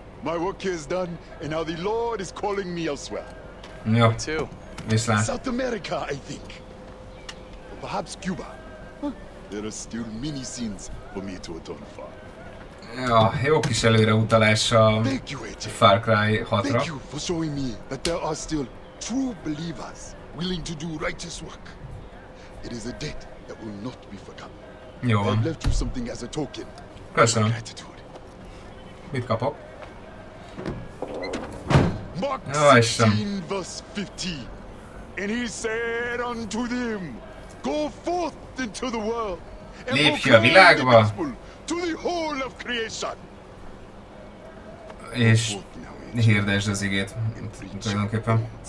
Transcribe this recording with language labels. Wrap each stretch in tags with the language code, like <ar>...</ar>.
<en>My work here is done, and now the Lord is calling me elsewhere. Yep. Me too. Islam. South America, I think. Or perhaps Cuba. Huh. There are still many sins for me to atone for.</en> <hu>Ja, jó kis előreutalás a Far Cry 6-ra.</hu> <en>Thank you for showing me that there are still true believers willing to do righteous work. It is a debt that will not be forgotten.</en> <hu>Jó.</hu> <en>I've left you something as a token.</en> <hu>Köszönöm. Gratitude. Mit kapok?</hu> <en>Mark 16, verse 15. And he said unto them, go forth into the world and proclaim the gospel to the whole of creation.</en> <hu>és hirdesd az igét tulajdonképpen.</hu>